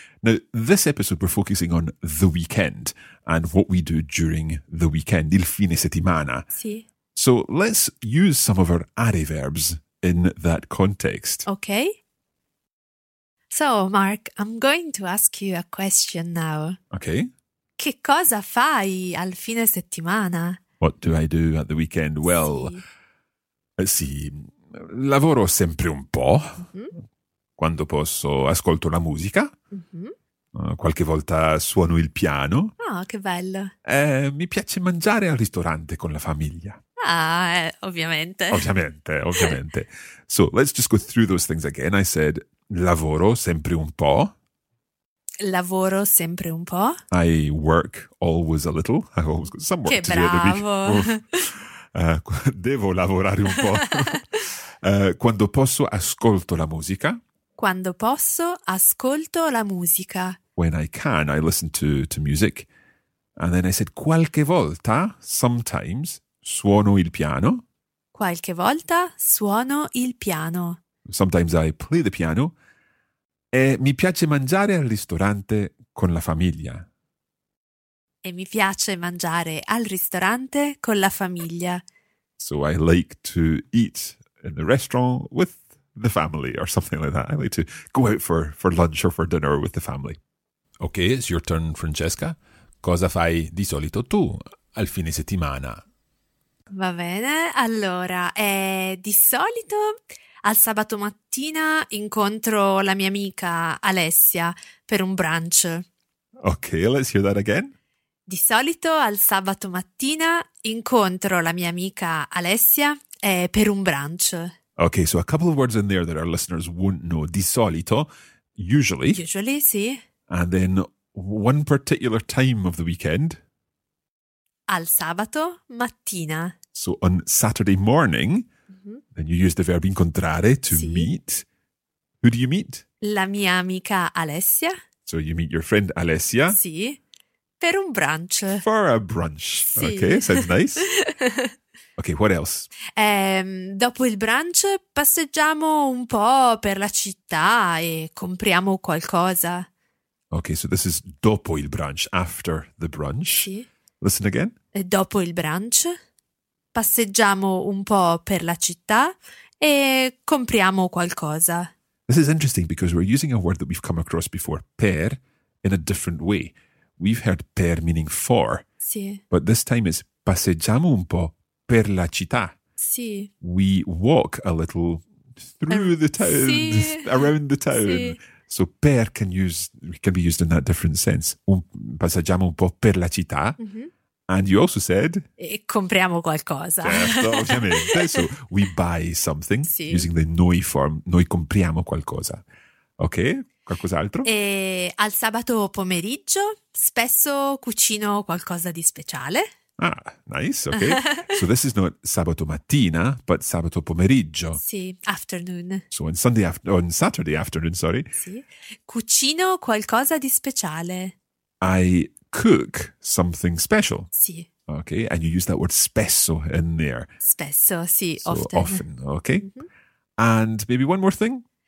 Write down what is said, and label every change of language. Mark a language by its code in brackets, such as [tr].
[en] Now, this episode, we're focusing on the weekend and what we do during the weekend, [it] il fine settimana. Sì. [en] So let's use some of our are verbs in that context. Okay. So, Mark, I'm going to ask you a question now. Okay. [it] Che cosa fai al fine settimana? [en] What do I do at the weekend? [it] Well, sì, lavoro sempre un po'. Mm-hmm. Quando posso, ascolto la musica. Mm-hmm. Qualche volta suono il piano. Oh, che bello. Mi piace mangiare al ristorante con la famiglia. Ovviamente. Ovviamente. [en] So, let's just go through those things again. I said, [it] lavoro sempre un po'. Lavoro sempre un po'. [en] I work always a little. I always got some work [it] che [en] to [it] bravo. [en] Do. [it] Che bravo. Devo lavorare un po'. Quando posso, ascolto la musica. Quando posso, ascolto la musica. [en] When I can, I listen to music. And then I said, [it] qualche volta, [en] sometimes, [it] suono il piano. Qualche volta, suono il piano. [en] Sometimes I play the piano. [it] E mi piace mangiare al ristorante con la famiglia. E mi piace mangiare al ristorante con la famiglia. [en] So I like to eat in the restaurant with the family or something like that. I like to go out for lunch or for dinner with the family. Okay, it's your turn, Francesca. [it] Cosa fai di solito tu al fine settimana? Va bene, allora, di solito al sabato mattina incontro la mia amica Alessia per un brunch. [en] Okay, let's hear that again. [it] Di solito al sabato mattina incontro la mia amica Alessia per un brunch. [en] Okay, so a couple of words in there that our listeners won't know. [it] Di solito, [en] usually. Usually, sì. And then one particular time of the weekend. [it] Al sabato mattina. [en] So on Saturday morning, mm-hmm. then you use the verb incontrare to meet. Who do you meet? [it] La mia amica Alessia. [en] So you meet your friend Alessia? [it] Sì. Per un brunch. [en] For a brunch. [it] Sì. [en] Okay, sounds nice. Okay, what else? [it] Dopo il brunch passeggiamo un po' per la città e compriamo qualcosa. [en] Okay, so this is [it] dopo il brunch, [en] after the brunch. [it] Sì. [en] Listen again. [it] Dopo il brunch passeggiamo un po' per la città e compriamo qualcosa. [en] This is interesting because we're using a word that we've come across before, per, in a different way. We've heard per meaning for. [it] Sì. [en] But this time it's [it] passeggiamo un po' per la città. Sì. [en] We walk a little through the town, [it] sì. [en] Around the town. [it] Sì. [en] So per can be used in that different sense. [it] Passeggiamo un po' per la città. Mm-hmm. [en] And you also said... [it] E compriamo qualcosa. Certo, ovviamente. [en] So we buy something, [it] sì. [en] Using the noi form. [it] Noi compriamo qualcosa. Ok, qualcos'altro? E al sabato pomeriggio spesso cucino qualcosa di speciale. [en] Ah, nice, ok. So this is not [it] sabato mattina, [en] but [it] sabato pomeriggio. [en] Sì, afternoon. So on Saturday afternoon. [it] Sì, cucino qualcosa di speciale. [en] I cook something special. [it] Sì. [en] Okay, and you use that word spesso in there. [it] Spesso, sì, [en] so often. Often, okay. Mm-hmm. And maybe one more thing.